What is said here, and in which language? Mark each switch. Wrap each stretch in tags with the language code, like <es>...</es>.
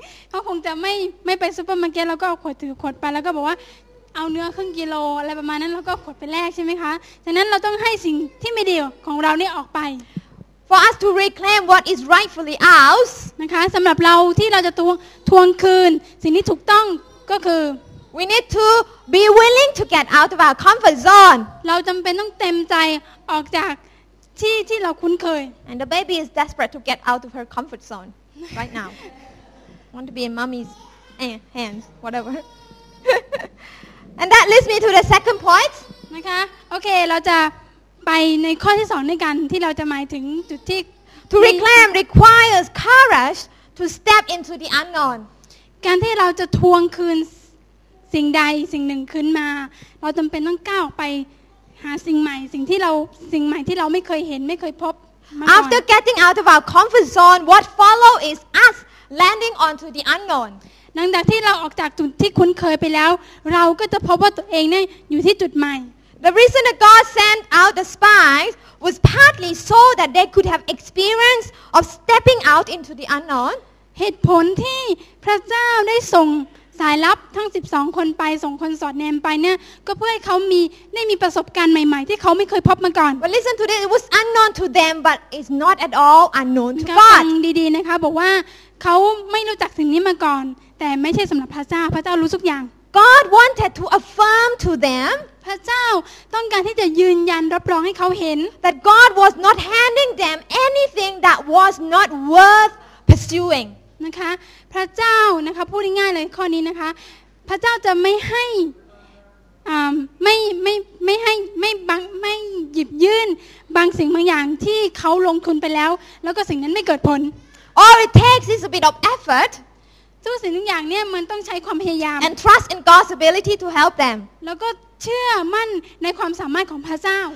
<th>เขาคงจะไม่ไปซูเปอร์มาร์เก็ตแล้วก็ถือขวดไปแล้วก็บอกว่าเอาเนื้อครึ่งกิโลอะไรประมาณนั้นแล้วก็ขวดไปแลกใช่ไหมคะฉะนั้นเราต้องให้สิ่งที่ไม่ดีของเรานี่ออกไป</th> <en>For us to reclaim what is rightfully ours</en> <th>นะคะสำหรับเราที่เราจะทวงคืนสิ่งที่ถูกต้องก็คือ</th> <en>We need to be willing to get out of our comfort zone</en> <th>เราจำเป็นต้องเต็มใจออกจากที่เราคุ้นเคย</th> <en>And the baby is desperate to get out of her comfort zone right now want to be in mommy's hands whatever And that leads me to the second point.</en> <th>นะคะ โอเค เราจะไปในข้อที่สองด้วยกันที่เราจะหมายถึงจุดที่</th> <en>To reclaim requires courage to step into the unknown.</en> <th>การที่เราจะทวงคืนสิ่งใดสิ่งหนึ่งคืนมาเราจำเป็นต้องก้าวไปหาสิ่งใหม่สิ่งใหม่ที่เราไม่เคยเห็นไม่เคยพบ</th> <en>After getting out of our comfort zone, what follows is us landing onto the unknown.</en> <th>หลังจากที่เราออกจากจุดที่คุ้นเคยไปแล้วเราก็จะพบว่าตัวเองเนี่ยอยู่ที่จุดใหม่</th> <en>The reason that God sent out the spies was partly so that they could have experience of stepping out into the unknown</en> <th>เหตุผลที่พระเจ้าได้ส่งสายลับทั้ง12คนไปส่งคนสอดแนมไปเนี่ยก็เพื่อให้เขามีได้มีประสบการณ์ใหม่ๆที่เขาไม่เคยพบมาก่อน</th> <en>But listen to this it was unknown to them but it's not at all unknown to God</en> <th>ฟังดีๆนะคะบอกว่าเขาไม่รู้จักสิ่งนี้มาก่อนแต่ไม่ใช่สำหรับพระเจ้าพระเจ้ารู้ทุกอย่าง</th> <en>God wanted to affirm to them</en> <th>พระเจ้าต้องการที่จะยืนยันรับรองให้เขาเห็น</th> <en>that God was not handing them anything that was not worth pursuing</en> <th>นะคะพระเจ้านะคะพูดง่ายๆเลยข้อนี้นะคะพระเจ้าจะไม่ให้ไม่หยิบยื่นบางสิ่งบางอย่างที่เขาลงทุนไปแล้วแล้วก็สิ่งนั้นไม่เกิดผล</th> <en>All it takes is a bit of effort</en> <th>ทุกสิ่งทุกอย่างเนี่ยมันต้องใช้ความพยายาม</th> <en>and trust in God's ability to help them</en> <th>แล้วก็เชื่อมั่นในความสามารถของพระเจ้า</th>